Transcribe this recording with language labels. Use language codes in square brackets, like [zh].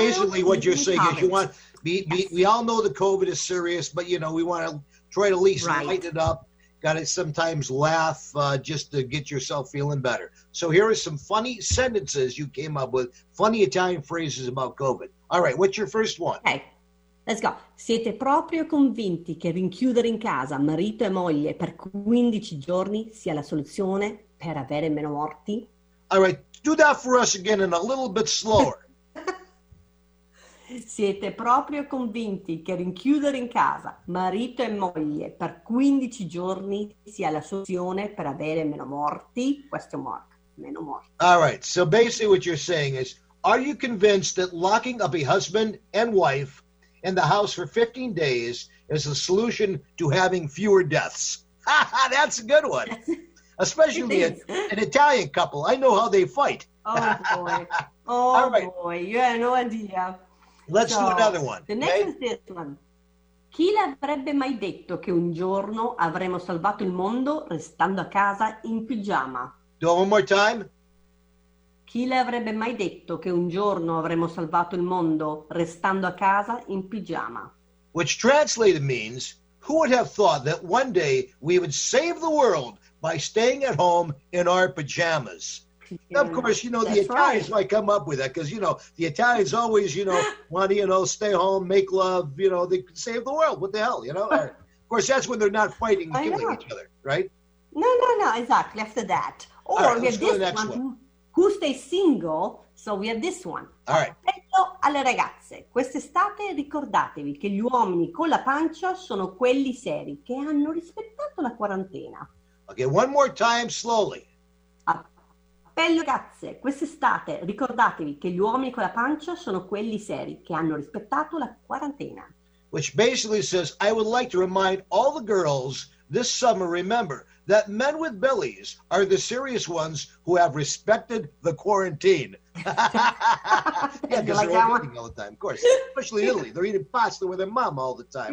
[en] We all know the COVID is serious, but, you know, we want to try to at least lighten it up. Got to sometimes laugh just to get yourself feeling better. So here are some funny sentences you came up with, funny Italian phrases about COVID. All right, what's your first one? Okay, let's go. [it] Siete proprio convinti che rinchiudere in casa marito e moglie per 15 giorni sia la soluzione per avere meno morti? [en] All right, do that for us again and a little bit slower. [it] Siete proprio convinti che rinchiudere in casa marito e moglie per 15 giorni sia la soluzione per avere meno morti? [en] Question mark. [it] Meno morti. [en] All right, so basically what you're saying is, are you convinced that locking up a husband and wife in the house for 15 days is the solution to having fewer deaths? Ha ha, that's a good one. Especially an Italian couple. I know how they fight. Oh, boy. Oh, right. Boy. You have no idea. Let's do another one. The next is this one. [it] Chi l'avrebbe mai detto che un giorno avremmo salvato il mondo restando a casa in pigiama? [en] Do it one more time. [it] Chi l'avrebbe mai detto che un giorno avremmo salvato il mondo restando a casa in pigiama? [en] Which translated means, who would have thought that one day we would save the world by staying at home in our pajamas? Of course, you know, that's the Italians might come up with that because, you know, the Italians always, you know, want to, you know, stay home, make love, you know, they save the world. What the hell, you know? Of course, that's when they're not fighting and killing each other, right? No, exactly. After that. Or right, we have this one. Who stays single? So we have this one. All right. [it] Appello alle ragazze. Quest'estate ricordatevi che gli uomini con la pancia sono quelli seri che hanno rispettato la quarantena. [en] Okay, one more time, slowly. [it] Appello ragazze, quest'estate ricordatevi che gli uomini con la pancia sono quelli seri che hanno rispettato la quarantena. [en] Which basically says, I would like to remind all the girls this summer, remember, that men with bellies are the serious ones who have respected the quarantine. Yeah, because they're eating all the time, of course. Especially Italy, they're eating pasta with their mom all the time.